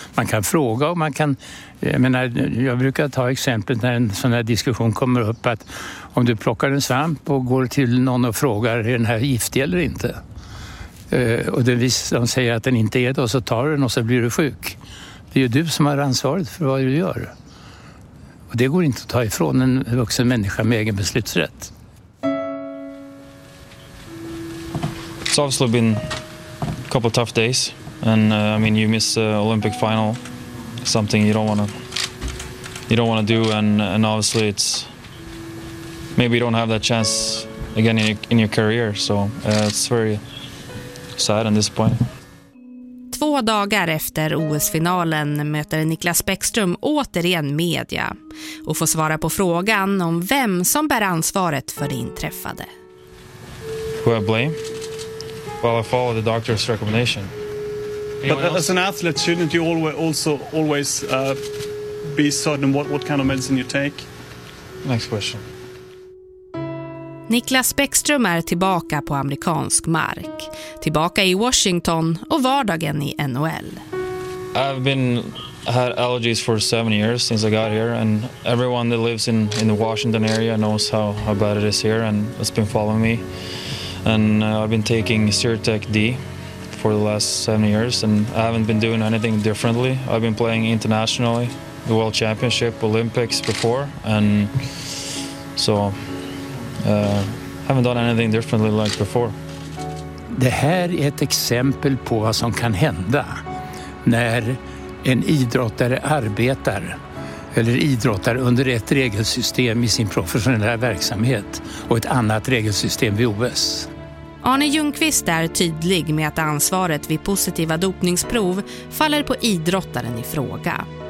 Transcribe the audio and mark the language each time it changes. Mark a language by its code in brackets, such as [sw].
[sv] Man kan fråga och man kan... Jag brukar ta exemplet när en sån här diskussion kommer upp, att om du plockar en svamp och går till någon och frågar, är den här giftig eller inte? Och de säger att den inte är det, och så tar du den och så blir du sjuk. Det är ju du som har ansvaret för vad du gör. Och det går inte att ta ifrån en vuxen människa med egen beslutsrätt. [en] It's obviously been a couple of tough days, and I mean, you miss the Olympic final, something you don't want to do, and obviously it's maybe you don't have that chance again in your career, so it's very sad at this point. [sv] Två dagar efter OS-finalen möter Niklas Bäckström återigen media och får svara på frågan om vem som bär ansvaret för det inträffade. [en] Who I blame? Well, I follow the doctor's recommendation. But as an athlete, shouldn't you always be certain what kind of medicine you take? Next question. [sv] Niklas Bäckström är tillbaka på amerikansk mark, tillbaka i Washington och vardagen i NHL. [en] I've been had allergies for 7 years since I got here, and everyone that lives in the Washington area knows how bad it is here, and it's been following me. And I've been taking Sirtec D for the last 7 years, and I haven't been doing anything differently. I've been playing internationally, the World Championship, Olympics before, and so haven't done anything differently like before. [sv] Det här är ett exempel på vad som kan hända när en idrottare arbetar eller idrottar under ett regelsystem i sin professionella verksamhet och ett annat regelsystem vid OS. Arne Ljungqvist är tydlig med att ansvaret vid positiva dopningsprov faller på idrottaren i fråga.